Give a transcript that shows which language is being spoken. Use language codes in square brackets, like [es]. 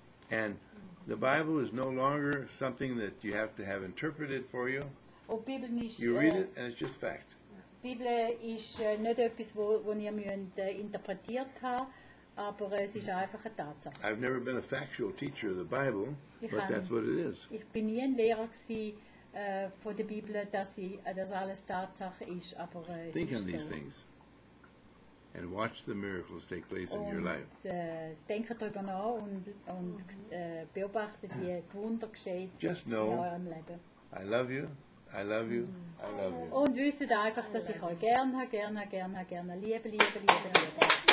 [en] And the Bible is no longer something that you have to have interpreted for you. You read it and it's just fact. [de] Die Bibel ist nicht etwas, wo ihr müsst, interpretiert habt, aber es ist einfach eine Tatsache. [en] I've never been a factual teacher of the Bible, but that's what it is. [de] Ich bin nie ein Lehrer gewesen, von der Bibel, dass alles Tatsache ist, aber es ist so. [en] Think on these things and watch the miracles take place in your life. [de] Denke darüber nach und beobachte, wie die Wunder geschehen in eurem Leben. [en] I love you. I love you. I love you. [de] Und wisst einfach, dass ich euch gern habe, gern habe, gern habe, gern habe. Liebe, liebe, liebe, liebe.